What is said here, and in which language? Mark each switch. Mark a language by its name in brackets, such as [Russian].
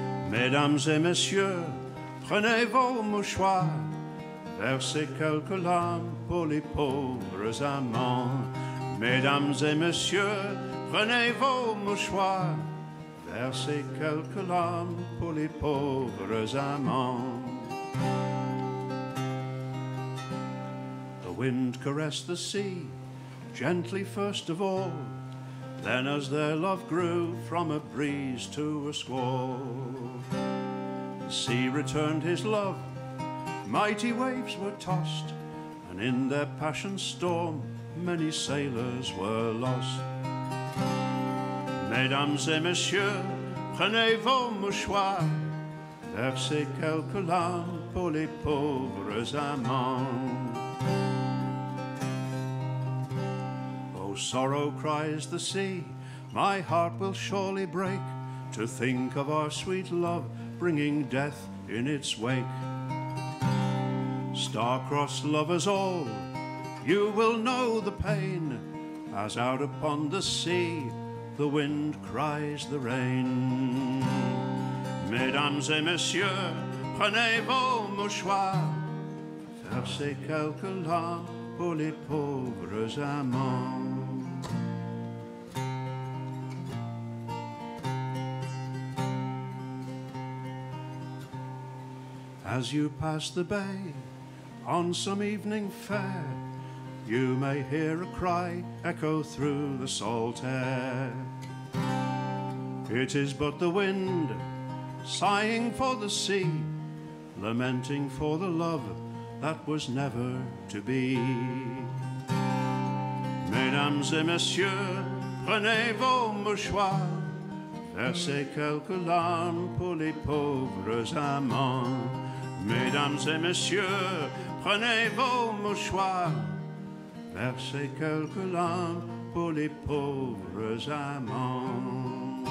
[French] Mesdames et messieurs, prenez vos mouchoirs, versez quelques larmes pour les pauvres amants. Mesdames et messieurs, prenez vos mouchoirs, versez quelques larmes pour les pauvres amants. [English] The wind caressed the sea, gently first of all, then as their love grew from a breeze to a squall. The sea returned his love, mighty waves were tossed, and in their passion storm many sailors were lost. [French] Mesdames et messieurs, prenez vos mouchoirs, versez quelques larmes pour les pauvres amants. [English] Oh, sorrow, cries the sea, my heart will surely break to think of our sweet love bringing death in its wake. Star-crossed lovers all, you will know the pain as out upon the sea the wind cries the rain. [French] Mesdames et messieurs, prenez vos mouchoirs, versez quelques larmes pour les pauvres amants. [English] As you pass the bay on some evening fair, you may hear a cry echo through the salt air. It is but the wind sighing for the sea, lamenting for the love that was never to be. [French] Mesdames et messieurs, prenez vos mouchoirs, versez quelques larmes pour les pauvres amants. Mesdames et messieurs, prenez vos mouchoirs, versez quelques larmes pour les pauvres amants.